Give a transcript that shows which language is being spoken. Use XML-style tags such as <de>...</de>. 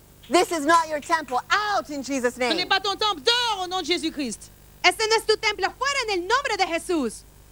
<en>This is not your temple, out in Jesus' name.</en> <fr>Ce n'est pas ton temple, dehors au nom de Jésus-Christ.</fr> <es>Ese no es tu templo, fuera en el nombre de Jesús.</es>